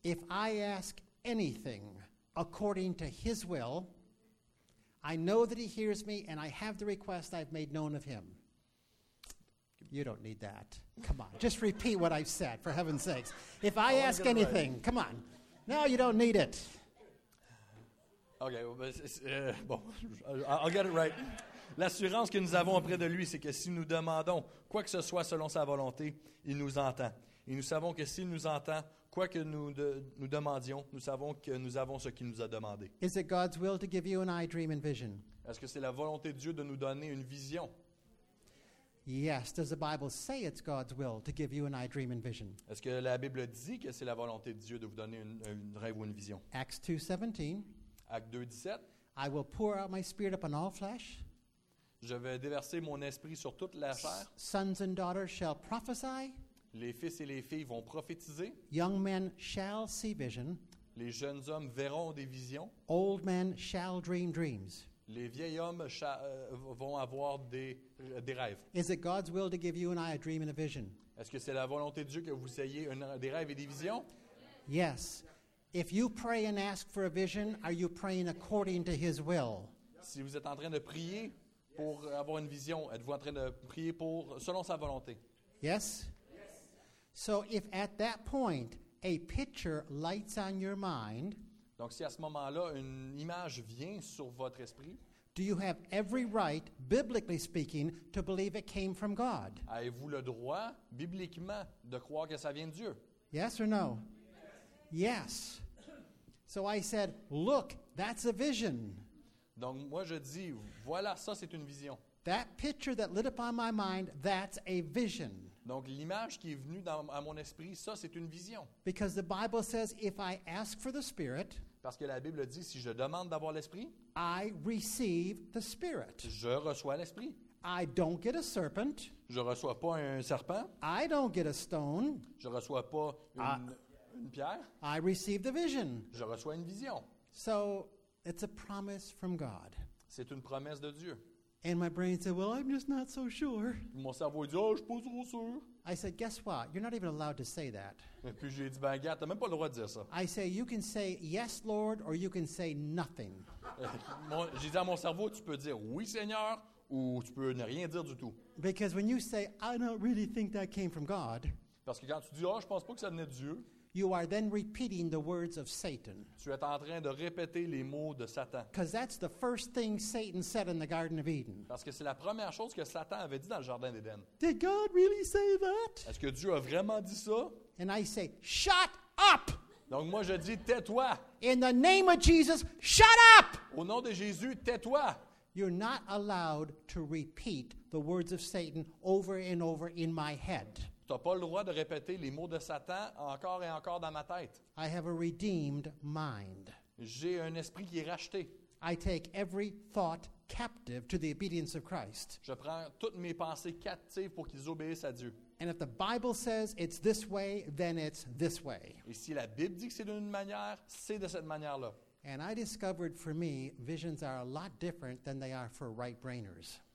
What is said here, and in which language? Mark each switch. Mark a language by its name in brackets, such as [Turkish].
[English] If I ask anything according to his will, I know that he hears me and I have the request I've made known of him. You don't need that. Come on. Just repeat what I've said, for heaven's sakes. If I ask anything, come on. No, you don't need it. Okay, well, I'll get it right. [French] L'assurance que nous avons auprès de lui, c'est que si nous demandons quoi que ce soit selon sa volonté, il nous entend. Et nous savons que s'il nous entend, quoi que nous demandions, nous savons que nous avons ce qu'il nous a demandé. [English] Is it God's will to give you an eye, dream, and vision? [French] Est-ce que c'est la volonté de Dieu de nous donner une vision? [English] Yes, does the Bible say it's God's will to give you an eye, dream, and vision? [French] Est-ce que la Bible dit que c'est la volonté de Dieu de vous donner un rêve ou une vision? [English] Acts 2:17. [French] Acte 2:17. [English] I will pour out my spirit upon all flesh. [French] Je vais déverser mon esprit sur toute la chair. [English] Sons and daughters shall prophesy. [French] Les fils et les filles vont prophétiser. [English] Young men shall see vision. [French] Les jeunes hommes verront des visions. [English] Old men shall dream dreams. [French] Les vieux hommes vont avoir des rêves. [English] Is it God's will to give you and I a dream and a vision? [French] Est-ce que c'est la volonté de Dieu que vous ayez des rêves et des visions? [English] Yes. If you pray and ask for a vision, are you praying according to His will? [French] Si vous êtes en train de prier pour avoir une vision, êtes-vous en train de prier pour selon sa volonté? [English] Yes. So if at that point a picture lights on your mind, [French] donc si à ce moment-là une image vient sur votre esprit, [English] do you have every right, biblically speaking, to believe it came from God? [French] Avez-vous le droit, bibliquement, de croire que ça vient de Dieu? [English] Yes or no? Yes. So I said, look, that's a vision. [French] Donc moi je dis, voilà, ça c'est une vision. [English] That picture that lit upon my mind, that's a vision. [French] Donc l'image qui est venue à mon esprit, ça c'est une vision. [English] Because the Bible says if I ask for the Spirit, [French] parce que la Bible dit si je demande d'avoir l'esprit, [English] I receive the Spirit. [French] Je reçois l'esprit. [English] I don't get a serpent. [French] Je reçois pas un serpent. [English] I don't get a stone. [French] Je reçois pas une pierre. [English] I receive the vision. [French] Je reçois une vision. [English] So it's a promise from God. [French] C'est une promesse de Dieu. [English] And my brain said, well, I'm just not so sure. [French] Mon cerveau dit, oh, je suis pas trop sûr. [English] I said, guess what? You're not even allowed to say that. [French] Et puis j'ai dit, ben, regarde, t'as même pas le droit de dire ça. [English] I say, you can say yes, Lord, or you can say nothing. [French] J'ai dit à mon cerveau, tu peux dire oui, Seigneur, ou tu peux ne rien dire du tout. [English] Because when you say, I don't really think that came from God. [French] Parce que quand tu dis, oh, je pense pas que ça venait de Dieu. [English] You are then repeating the words of Satan. [French] Tu es en train de répéter les mots de Satan. [English] Because that's the first thing Satan said in the Garden of Eden. [French] Parce que c'est la première chose que Satan avait dit dans le jardin d'Éden. [English] Did God really say that? [French] Est-ce que Dieu a vraiment dit ça? [English] And I say, shut up! [French] Donc moi je dis, tais-toi! [English] In the name of Jesus, shut up! [French] Au nom de Jésus, tais-toi! [English] You're not allowed to repeat the words of Satan over and over in my head. [French] Tu n'as pas le droit de répéter les mots de Satan encore et encore dans ma tête. [English] I have a redeemed mind. [French] J'ai un esprit qui est racheté. [English] I take every thought captive to the obedience of Christ. [French] Je prends toutes mes pensées captives pour qu'ils obéissent à Dieu. [English] And if the Bible says it's this way, then it's this way. [French] Et si la Bible dit que c'est d'une manière, c'est de cette manière-là. [English] And I discovered for me, visions are a lot different than they are for right-brainers.